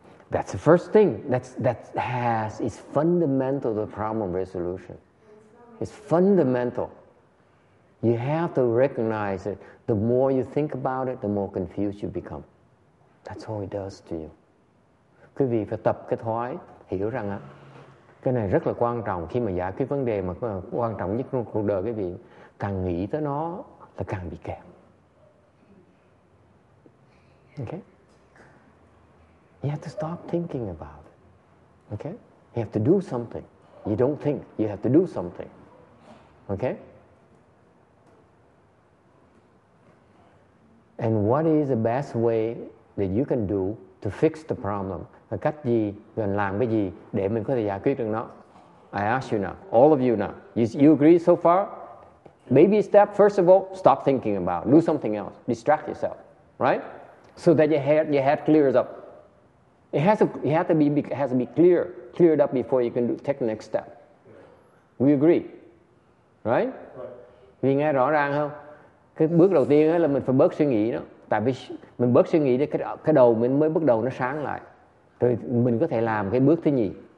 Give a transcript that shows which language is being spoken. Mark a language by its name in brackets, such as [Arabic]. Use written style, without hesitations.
[English] That's the first thing that's fundamental to problem resolution. It's fundamental. You have to recognize it. The more you think about it, the more confused you become. That's all it does to you. [Vietnamese] quý vị phải tập cái thói hiểu rằng á, cái này rất là quan trọng. Khi mà giải quyết vấn đề mà quan trọng nhất trong cuộc đời, cái việc càng nghĩ tới nó là càng bị kẹt. [English] Okay, you have to stop thinking about it. Okay, you have to do something. You don't think, you have to do something. Okay, and what is the best way that you can do to fix the problem? [Vietnamese] Cách gì, mình làm cái gì để mình có thể giải quyết được nó? [English] I ask you now, all of you now, you agree so far? Baby step, first of all, stop thinking about it. Do something else, distract yourself, right? So that your head clears up. It has to be cleared up before you can take the next step. We agree, right? Right. [Vietnamese] Vì nghe rõ ràng không? Cái bước đầu tiên là mình phải bớt suy nghĩ đó. Tại vì mình bớt suy nghĩ thì cái đầu mình mới bắt đầu nó sáng lại. Rồi mình có thể làm cái bước thứ nhì.